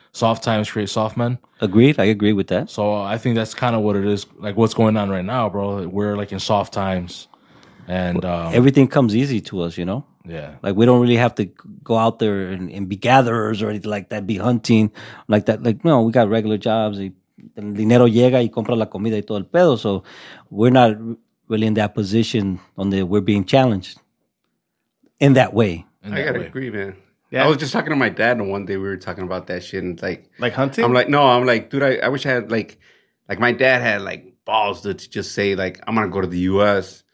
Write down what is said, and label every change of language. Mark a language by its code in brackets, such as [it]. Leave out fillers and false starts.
[en] Soft times create soft men. Agreed. I agree with that. So I think that's kind of what it is, like what's going on right now, bro. We're like in soft times. And everything comes easy to us, you know? Yeah. Like we don't really have to go out there and be gatherers or anything like that, be hunting like that. Like, no, we got regular jobs. [es] El dinero llega y compra la comida y todo el pedo. [en] So we're not really in that position [es] donde [en] we're being challenged in that way. Agree, man. Yeah. I was just talking to my dad, and one day we were talking about that shit, and like hunting. I'm like, no, I'm like, dude, I wish I had like my dad had like balls to just say like I'm gonna go to the U.S.